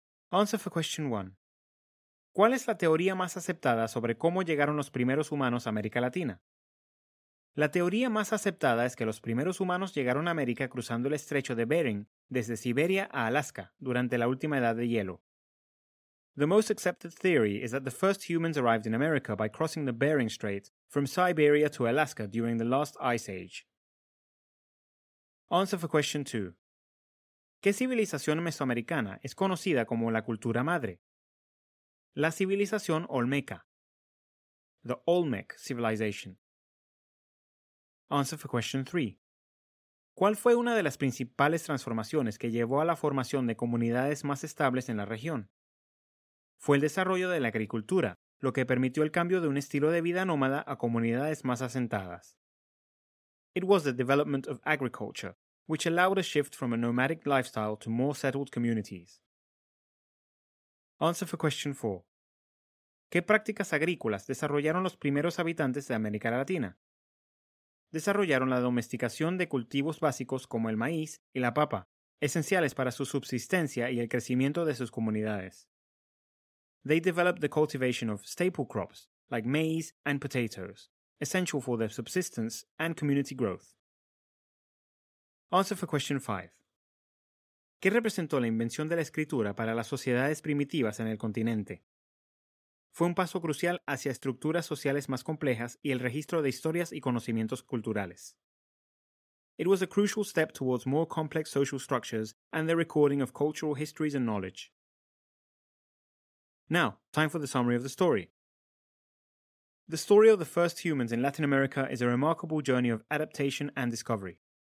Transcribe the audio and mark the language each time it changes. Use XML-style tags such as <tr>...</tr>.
<en>Answer for question 1.</en> <es>¿Cuál es la teoría más aceptada sobre cómo llegaron los primeros humanos a América Latina? La teoría más aceptada es que los primeros humanos llegaron a América cruzando el estrecho de Bering desde Siberia a Alaska durante la última edad de hielo.</es> <en>The most accepted theory is that the first humans arrived in America by crossing the Bering Strait from Siberia to Alaska during the last ice age. Answer for question 2.</en> <es>¿Qué civilización mesoamericana es conocida como la cultura madre? La civilización Olmeca.</es> <en>The Olmec civilization. Answer for question 3.</en> <es>¿Cuál fue una de las principales transformaciones que llevó a la formación de comunidades más estables en la región? Fue el desarrollo de la agricultura, lo que permitió el cambio de un estilo de vida nómada a comunidades más asentadas.</es> <en>It was the development of agriculture, which allowed a shift from a nomadic lifestyle to more settled communities. Answer for question 4.</en> <es>¿Qué prácticas agrícolas desarrollaron los primeros habitantes de América Latina? Desarrollaron la domesticación de cultivos básicos como el maíz y la papa, esenciales para su subsistencia y el crecimiento de sus comunidades.</es> <en>They developed the cultivation of staple crops, like maize and potatoes, essential for their subsistence and community growth. Answer for question 5.</en> <es>¿Qué representó la invención de la escritura para las sociedades primitivas en el continente? Fue un paso crucial hacia estructuras sociales más complejas y el registro de historias y conocimientos culturales.</es> <en>It was a crucial step towards more complex social structures and the recording of cultural histories and knowledge. Now, time for the summary of the story. The story of the first humans in Latin America is a remarkable journey of adaptation and discovery.</en>